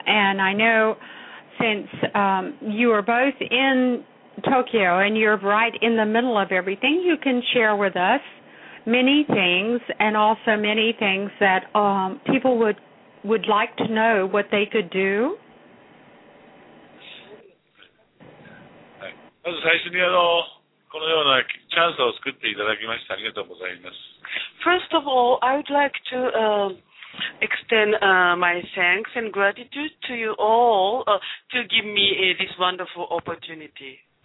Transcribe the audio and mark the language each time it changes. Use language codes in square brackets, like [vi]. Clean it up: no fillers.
[en] And I know since you are both in Tokyo and you're right in the middle of everything, you can share with us many things, and also many things that people would like to know what they could do. [ja] まず最初にこのようなチャンスを作っていただきましてありがとうございます。 [en] First of all, I would like to extend my thanks and gratitude to you all to give me this wonderful opportunity.